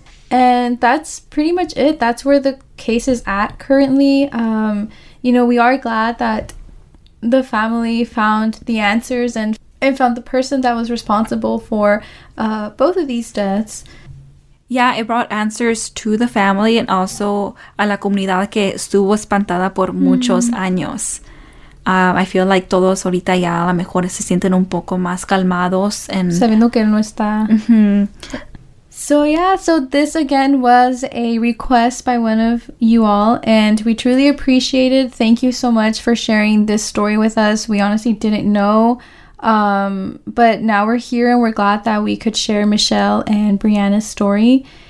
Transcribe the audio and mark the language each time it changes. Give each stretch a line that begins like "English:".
English: And that's pretty much it. That's where the case is at currently. You know, we are glad that the family found the answers and found the person that was responsible for both of these deaths. Yeah, it brought answers to the family and also
Spanish: a la comunidad que estuvo espantada por muchos años.
English: I feel like
Spanish: todos ahorita ya a lo mejor se sienten un poco más calmados.
English: And
Spanish: sabiendo que él no está.
English: Mm-hmm. So yeah, so this again was a request by one of you all. And we truly appreciate it. Thank you so much for sharing this story with us. We honestly didn't know. But now we're here and we're glad that we could share Michelle and Brianna's story.